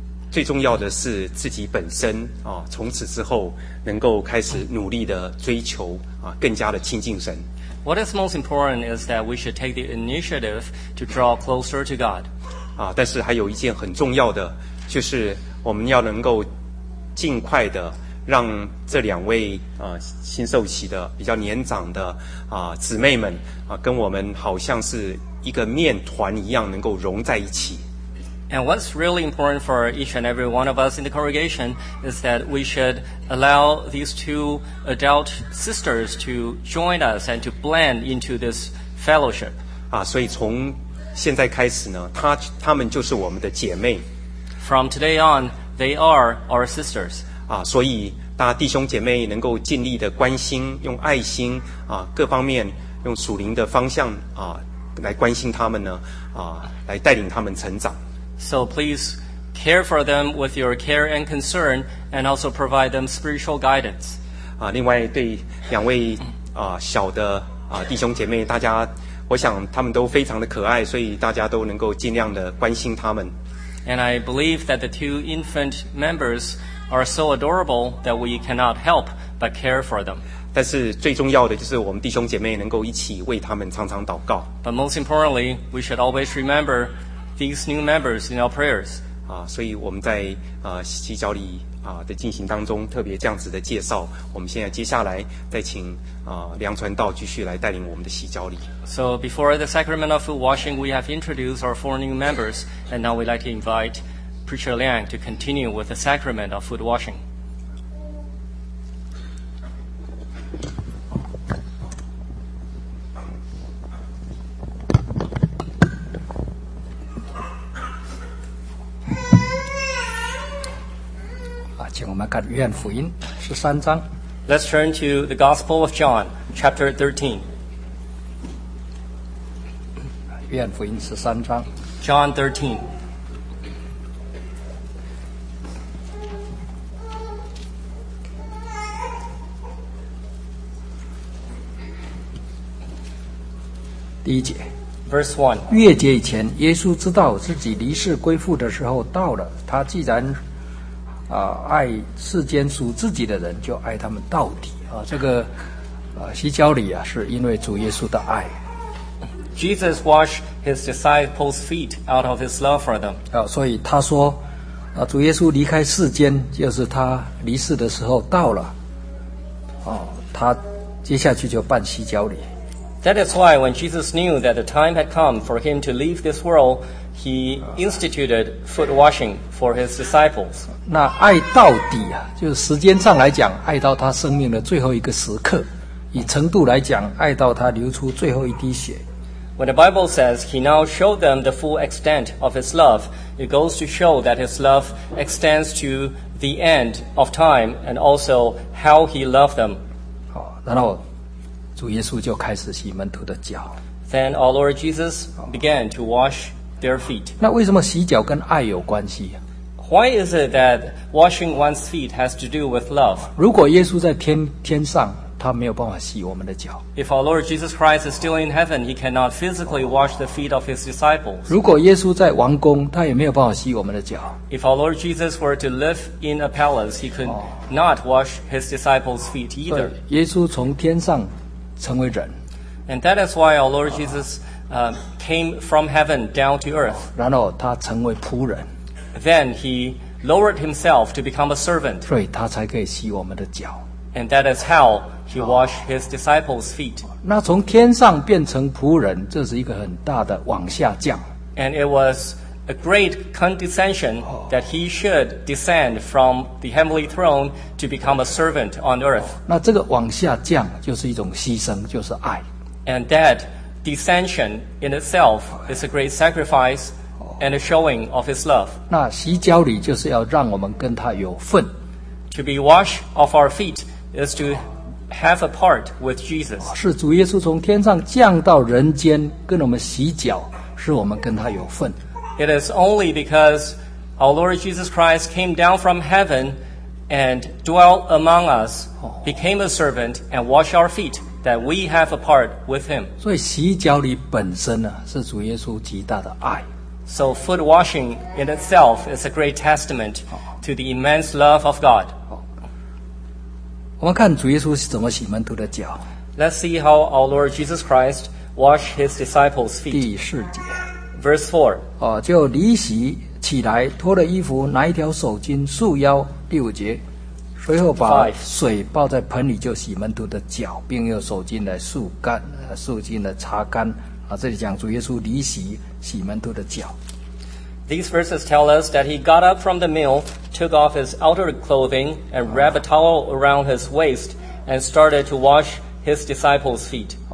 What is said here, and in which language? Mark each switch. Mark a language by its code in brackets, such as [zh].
[zh] 最重要的是自己本身从此之后能够开始努力的追求更加的亲近神。 [en] What is most important is that we should take the initiative to draw closer to God. [zh] 但是还有一件很重要的，就是我们要能够尽快的让这两位新受洗的比较年长的姊妹们跟我们好像是一个面团一样能够融在一起。 [en] And what's really important for each and every one of us in the congregation is that we should allow these two adult sisters to join us and to blend into this fellowship. [zh] 所以从现在开始呢，她们就是我们的姐妹。 [en] From today on, they are our sisters. [zh] 所以大家弟兄姐妹能够尽力的关心，用爱心各方面用属灵的方向来关心她们呢来带领她们成长。 [en] So please care for them with your care and concern and also provide them spiritual guidance. [zh] 另外对两位小的弟兄姐妹，大家我想他们都非常的可爱，所以大家都能够尽量的关心他们。 [en] And I believe that the two infant members are so adorable that we cannot help but care for them. [zh] 但是最重要的就是我们弟兄姐妹能够一起为他们常常祷告。 [en] But most importantly, we should always rememberthese new members in our prayers. [zh] 所以我们在洗脚礼的进行当中特别这样子的介绍，我们现在接下来再请梁传道继续来带领我们的洗脚礼。 [en] So before the sacrament of food washing, we have introduced our four new members, and now we'd like to invite Preacher Liang to continue with the sacrament of food washing. [zh] 请我们看约翰福音十三章。 [en] Let's turn to the Gospel of John, chapter 13. [zh] 约翰福音十三章。 [en] John 13. [zh] 第一节 [en] Verse 1. [zh] 月节以前，耶稣知道自己离世归父的时候到了。他既然爱世间属自己的人，就爱他们到底。这个洗脚礼是因为主耶稣的爱。 [en] Jesus washed his disciples' feet out of his love for them. [zh] 所以他说主耶稣离开世间，就是他离世的时候到了。他接下去就办洗脚礼。 [en] That is why when Jesus knew that the time had come for him to leave this world, he instituted foot washing for his disciples. [zh] 那爱到底啊，就是时间上来讲，爱到他生命的最后一个时刻；以程度来讲，爱到他流出最后一滴血。 [en] When the Bible says he now showed them the full extent of his love, it goes to show that his love extends to the end of time and also how he loved them. [zh] 好，然后主耶稣就开始洗门徒的脚。 [en] Then our Lord Jesus began to wash their feet. [zh] 那为什么洗脚跟爱有关系？ [en] Why is it that washing one's feet has to do with love? [zh] 如果耶稣在天上，他没有办法洗我们的脚。 [en] If our Lord Jesus Christ is still in heaven, he cannot physically wash the feet of his disciples. [zh] 如果耶稣在王宫，他也没有办法洗我们的脚。 [en] If our Lord Jesus were to live in a palace, he could not wash his disciples' feet either. [zh] 耶稣从天上成为人。 [en] And that is why our Lord Jesus came from heaven down to earth. [zh] 然后他成为仆人。 [en] Then he lowered himself to become a servant. [zh] 所以他才可以洗我们的脚。 [en] And that is how he washed his disciples' feet. [zh] 那从天上变成仆人，这是一个很大的往下降。 [en] And it was a great condescension that he should descend from the heavenly throne to become a servant on earth. [zh] 那这个往下降就是一种牺牲，就是爱。 [en] And that descension in itself is a great sacrifice and a showing of his love. [zh] 那洗脚礼就是要让我们跟他有份。 [en] To be washed off our feet is to have a part with Jesus. [zh] 是主耶稣从天上降到人间跟我们洗脚，使我们跟他有份。 [en] It is only because our Lord Jesus Christ came down from heaven and dwelt among us, became a servant and washed our feet that we have a part with him. [zh] 所以洗脚礼本身呢，是主耶稣极大的爱。 [en] So foot washing in itself is a great testament to the immense love of God. [zh] 我们看主耶稣是怎么洗门徒的脚。 [en] Let's see how our Lord Jesus Christ washed his disciples' feet. [zh] 第四节。 [en] Verse 4. [zh] 就离席起来，脱了衣服，拿一条手巾束腰。第五节，随后把水抱在盆里，就洗门徒的脚，并用手巾来束干，束巾来擦干。这里讲主耶稣离席洗门徒的脚。 [en] These verses tell us that he got up from the meal, took off his outer clothing, and wrapped a towel around his waist, and started to wash his disciples' feet.